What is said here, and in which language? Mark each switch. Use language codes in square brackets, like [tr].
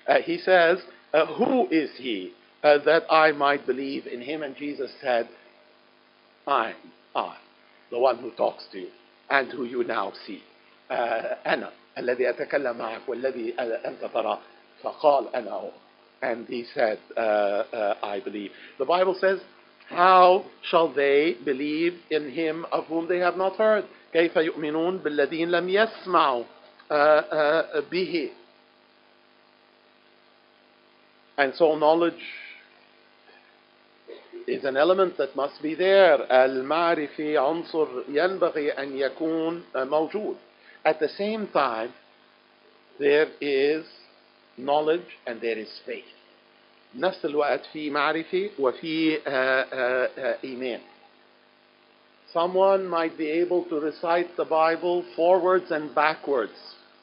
[en] He says who is he that I might believe in him, and Jesus said I the one who talks to you and who you now see [ar] أنا الذي أتكلم معك والذي أنت ترى فقال أنا هو. [en] And he said I believe. The Bible says how shall they believe in him of whom they have not heard. [ar] كيف يؤمنون بالذين لم يسمعوا به. [en] And so knowledge is an element that must be there. [ar] المعرفة عنصر ينبغي أن يكون موجود. [en] At the same time, there is knowledge and there is faith. [ar] نفس الوقت في معرفة وفي إيمان. [en] Someone might be able to recite the Bible forwards and backwards.